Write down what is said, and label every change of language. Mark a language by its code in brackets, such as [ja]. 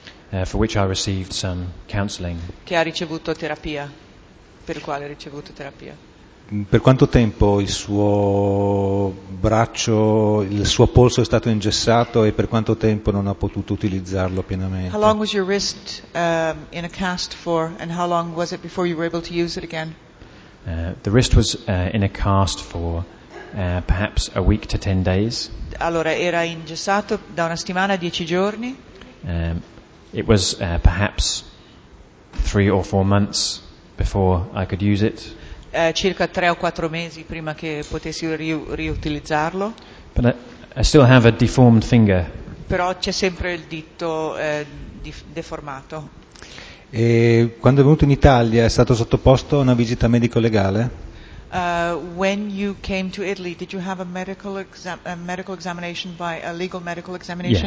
[en] For which I received some counseling. [it] Che ha ricevuto terapia. Per quale ha ricevuto terapia? Per quanto tempo il suo braccio, il suo polso è stato ingessato e per quanto tempo non ha potuto utilizzarlo pienamente? [en] How long was your wrist in a cast for and how long was it before you were able to use it again? The wrist was in a cast for perhaps a week to 10 days. [it] Allora era ingessato da una settimana a 10 giorni. [en] It was perhaps 3 or 4 months before I could use it. [it] Circa 3 o 4 mesi prima che potessi riutilizzarlo. [en] But I still have a deformed finger. [it] Però c'è sempre il dito deformato. E quando è venuto in Italia è stato sottoposto a una visita medico legale? [en] When you came to Italy, did you have a medical examination by a legal medical examination?